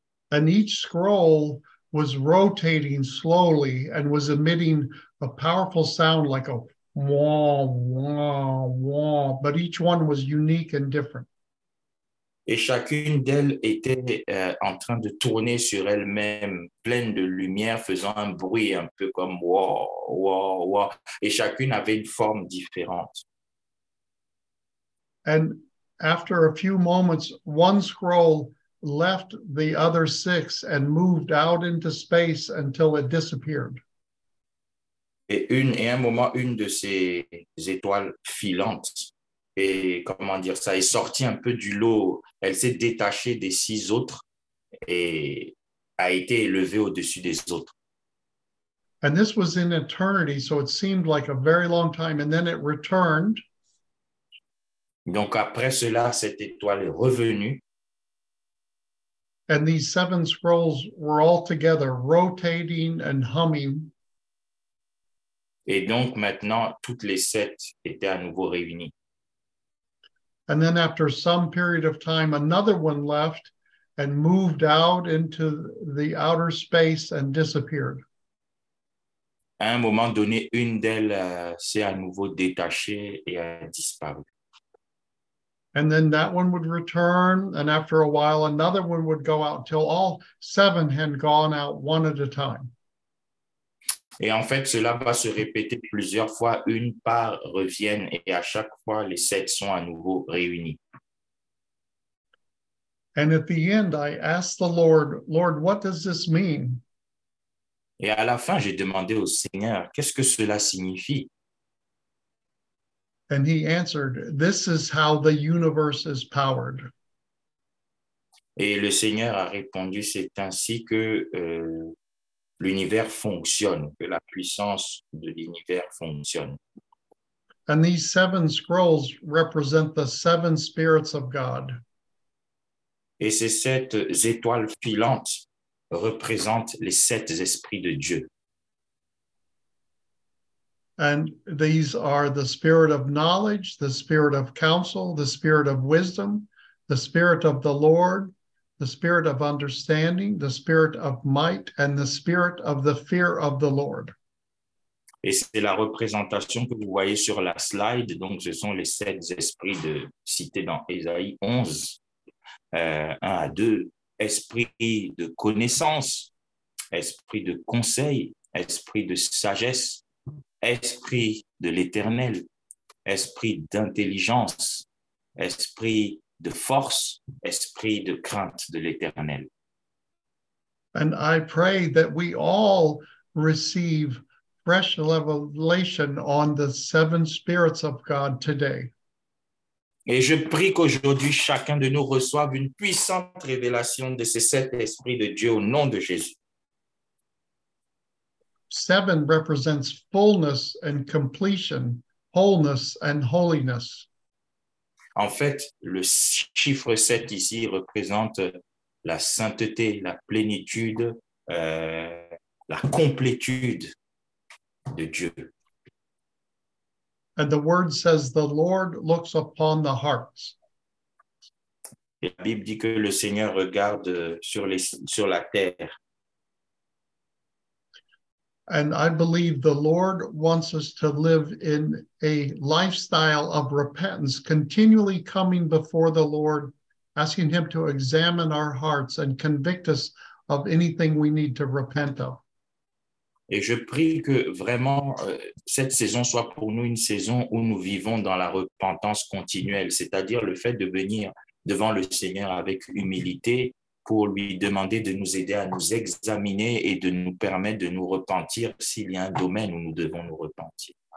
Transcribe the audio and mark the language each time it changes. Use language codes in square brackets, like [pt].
[en] And each scroll was rotating slowly and was emitting a powerful sound like a wah, wah, wah, but each one was unique and different. [fr] Et chacune d'elles était en train de tourner sur elle-même, pleine de lumière, faisant un bruit un peu comme « wow, wow, wow ». Et chacune avait une forme différente. [en] And after a few moments, one scroll left the other six and moved out into space until it disappeared. [fr] Et un moment, une de ces étoiles filantes, et comment dire ça, est sortie un peu du lot. Elle s'est détachée des six autres et a été élevée au-dessus des autres. [en] And this was in eternity, so it seemed like a very long time, and then it returned. [fr] Donc après cela, cette étoile est revenue. [en] And these seven scrolls were all together, rotating and humming. [fr] Et donc maintenant, toutes les sept étaient à nouveau réunies. [en] And then after some period of time, another one left and moved out into the outer space and disappeared. [fr] À un moment donné, une d'elles s'est à nouveau détachée et a disparu. [en] And then that one would return, and after a while, another one would go out till all seven had gone out one at a time. [fr] Et en fait, cela va se répéter plusieurs fois. Une part reviennent et à chaque fois, les sept sont à nouveau réunis. [en] And at the end, I asked the Lord, Lord, what does this mean? [fr] Et à la fin, j'ai demandé au Seigneur, qu'est-ce que cela signifie? [en] And he answered, this is how the universe is powered. [fr] Et le Seigneur a répondu, c'est ainsi que... L'univers fonctionne, que la puissance de l'univers fonctionne. [en] And these seven scrolls represent the seven spirits of God. [fr] Et ces sept étoiles filantes représentent les sept esprits de Dieu. [en] And these are the spirit of knowledge, the spirit of counsel, the spirit of wisdom, the spirit of the Lord, the spirit of understanding, the spirit of might, and the spirit of the fear of the Lord. [fr] Et c'est la représentation que vous voyez sur la slide. Donc, ce sont les sept esprits de cités dans Ésaïe 11, 1 à 2. Esprit de connaissance, esprit de conseil, esprit de sagesse, esprit de l'éternel, esprit d'intelligence, esprit de force, esprit de crainte de l'Éternel. [en] And I pray that we all receive fresh revelation on the seven spirits of God today. [fr] Et je prie qu'aujourd'hui chacun de nous reçoive une puissante révélation de ces sept esprits de Dieu au nom de Jésus. [en] Seven represents fullness and completion, wholeness and holiness. [fr] En fait, le chiffre 7 ici représente la sainteté, la plénitude, la complétude de Dieu. [en] And the word says the Lord looks upon the hearts. [fr] Et la Bible dit que le Seigneur regarde sur la terre. [en] And I believe the Lord wants us to live in a lifestyle of repentance, continually coming before the Lord, asking him to examine our hearts and convict us of anything we need to repent of. [fr] Et je prie que vraiment cette saison soit pour nous une saison où nous vivons dans la repentance continuelle, c'est-à-dire le fait de venir devant le Seigneur avec humilité, pour lui demander de nous aider à nous examiner et de nous permettre de nous repentir s'il y a un domaine où nous devons nous repentir.